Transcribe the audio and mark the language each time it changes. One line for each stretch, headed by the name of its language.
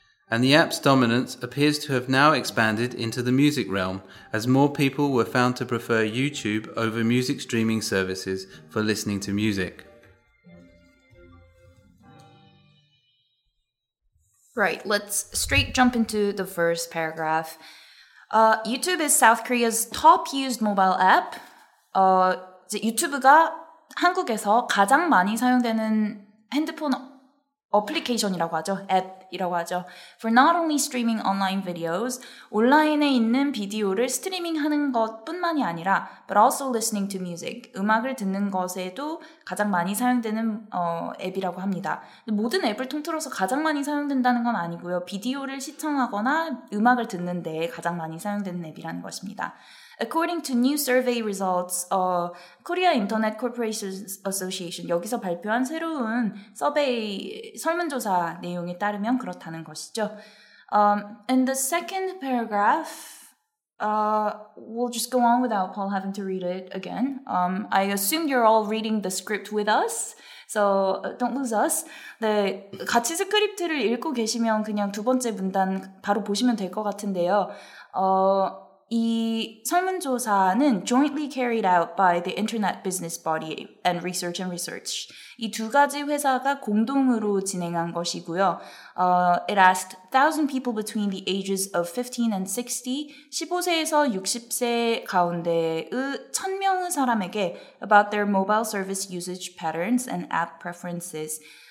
English: And the app's dominance appears to have now expanded into the music realm, as more people were found to prefer YouTube over music streaming services for listening to music. Right, let's straight jump into the first paragraph. YouTube is South Korea's top used mobile app.
Korean: 유튜브가 한국에서 가장 많이 사용되는 핸드폰 어플리케이션이라고 하죠. 앱이라고 하죠.
English: For not only streaming online videos,
Korean: 온라인에 있는 비디오를 스트리밍하는 것뿐만이 아니라
English: but also listening to music,
Korean: 음악을 듣는 것에도 가장 많이 사용되는 앱이라고 합니다. 모든 앱을 통틀어서 가장 많이 사용된다는 건 아니고요. 비디오를 시청하거나 음악을 듣는 데 가장 많이 사용되는 앱이라는 것입니다.
English: According to new survey results,
Korean: Korea Internet Corporations Association 여기서 발표한 새로운 서베이 설문조사 내용에 따르면 그렇다는 것이죠.
English: In the second paragraph, we'll just go on without Paul having to read it again. I assume you're all reading the script with us, so don't lose us.
Korean: 네, 같이 스크립트를 읽고 계시면 그냥 두 번째 문단 바로 보시면 될 것 같은데요. 이 설문조사는
English: jointly carried out by the Internet Business Body and Research and Research.
Korean: 이 두 가지 회사가 공동으로 진행한 것이고요.
English: It asked 1,000 people between the ages of 15 and 60,
Korean: 15세에서 60세 가운데의 1,000명의 사람에게
English: about their mobile service usage patterns and app preferences.